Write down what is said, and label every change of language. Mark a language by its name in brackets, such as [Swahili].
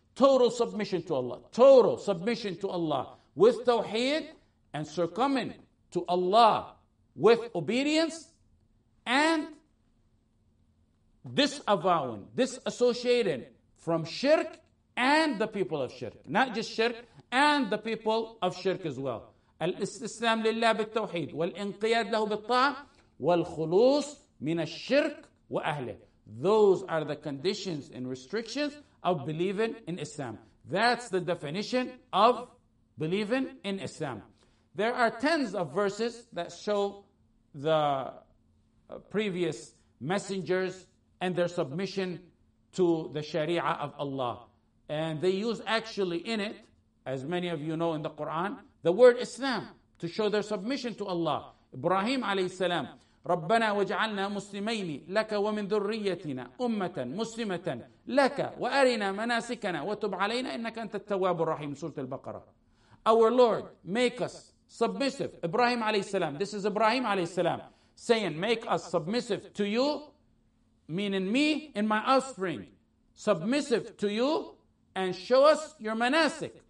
[English] Total submission to Allah. Total submission to Allah with tawhid and succumbing to Allah with obedience and disavowing, disassociating from shirk and the people of shirk. Not just shirk, and the people of shirk as well. [Arabic] الاستسلام لله بالتوحيد والانقياد له بالطاعة والخلوص من الشرك وأهله. [English] Those are the conditions and restrictions of believing in Islam. That's the definition of believing in Islam. There are tens of verses that show the previous messengers and their submission to the Sharia of Allah. And they use actually in it, as many of you know in the Quran, the word Islam to show their submission to Allah. [Arabic] Ibrahim alayhi salam, رَبَّنَا وَجْعَلْنَا مُسْلِمَيْنِ لَكَ وَمِنْ ذُرِّيَّتِنَا أُمَّةً مُسْلِمَةً لَكَ وَأَرِنَا مَنَاسِكَنَا وَتُبْ عَلَيْنَا إِنَّكَ أَنْتَ التَّوَّابُ الرَّحِيمُ سُورَةُ الْبَقَرَةُ. [English] Our Lord, make us submissive. Ibrahim alayhi salam, this is Ibrahim alayhi salam saying, make us submissive to you, meaning me and my offspring, submissive to you, and show us your manasik.